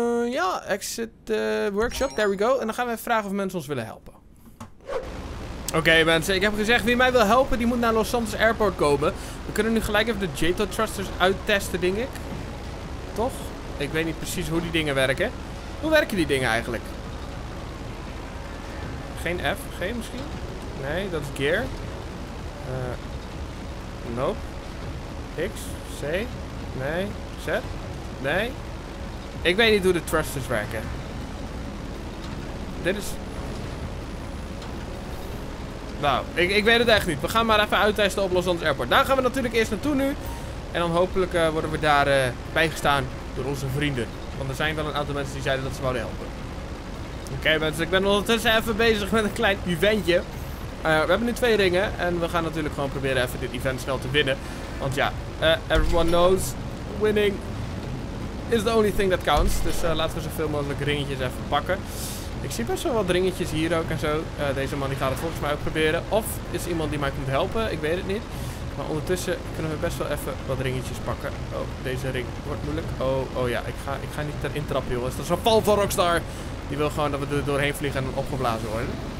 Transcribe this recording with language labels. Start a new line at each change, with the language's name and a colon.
English: ja, exit workshop, there we go.
Dutch: En dan gaan we even vragen of mensen ons willen helpen. Oké, mensen, ik heb gezegd, wie mij wil helpen, die moet naar Los Santos Airport komen. We kunnen nu gelijk even de Jato Thrusters uittesten, denk ik. Toch? Ik weet niet precies hoe die dingen werken. Hoe werken die dingen eigenlijk? Geen F, G misschien? Nee, dat is gear. Nope. X, C, nee, Z, nee. Ik weet niet hoe de thrusters werken. Dit is... Nou, ik weet het echt niet. We gaan maar even uittesten op Los Angeles Airport. Daar gaan we natuurlijk eerst naartoe nu. En dan hopelijk worden we daar bijgestaan door onze vrienden. Want er zijn wel een aantal mensen die zeiden dat ze wouden helpen. Oké, mensen, ik ben ondertussen even bezig met een klein eventje. We hebben nu 2 ringen en we gaan natuurlijk gewoon proberen even dit event snel te winnen. Want ja,
English: everyone knows, winning is the only thing that counts.
Dutch: Dus laten we zoveel mogelijk ringetjes even pakken. Ik zie best wel wat ringetjes hier ook en zo. Deze man die gaat het volgens mij ook proberen. Of is iemand die mij komt helpen, ik weet het niet. Maar ondertussen kunnen we best wel even wat ringetjes pakken. Oh, deze ring wordt moeilijk. Oh ja, ik ga niet erin trappen, jongens. Dat is een val van Rockstar. Die wil gewoon dat we er doorheen vliegen en opgeblazen worden.